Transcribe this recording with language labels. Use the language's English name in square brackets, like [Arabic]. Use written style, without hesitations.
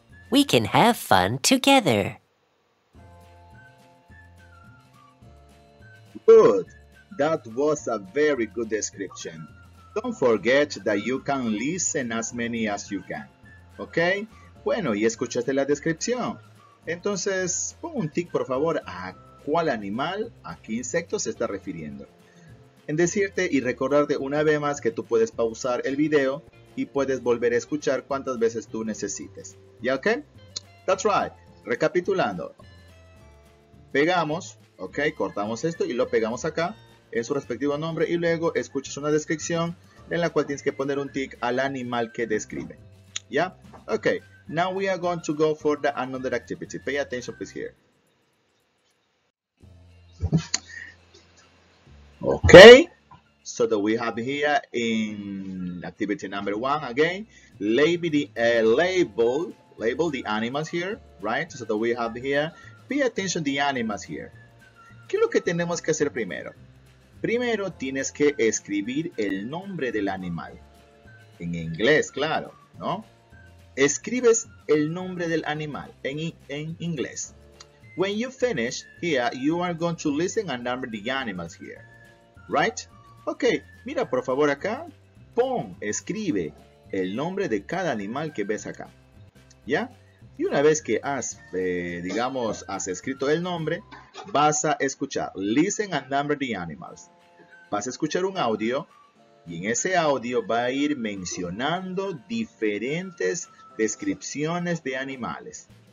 [English] We can have fun together. Good. That was a very good description. Don't forget that you can listen as many as you can. [Spanish] Okay? Bueno, ¿y escuchaste la descripción? Entonces, pon un tick, por favor, a cuál animal, a qué insecto se está refiriendo. En decirte y recordarte una vez más que tú puedes pausar el video y puedes volver a escuchar cuantas veces tú necesites. ¿Ya, ok? [English] That's right. [Spanish] Recapitulando. Pegamos, ok, cortamos esto y lo pegamos acá en su respectivo nombre y luego escuchas una descripción en la cual tienes que poner un tick al animal que describe. ¿Ya? Ok. [English] Now we are going to go for the another activity. Pay attention, please, here. Okay, so that we have here in activity number one, again, label the animals here, right? So that we have here, pay attention the animals here. [Spanish] ¿Qué es lo que tenemos que hacer primero? Primero tienes que escribir el nombre del animal. En inglés, claro, ¿no? Escribes el nombre del animal en inglés. [English] When you finish here, you are going to listen and number the animals here. Right? [Spanish] Ok, mira por favor acá, escribe el nombre de cada animal que ves acá. ¿ya? Y una vez que has, digamos, has escrito el nombre, vas a escuchar, [English] listen and number the animals. [Spanish] Vas a escuchar un audio y en ese audio va a ir mencionando diferentes descripciones de animales.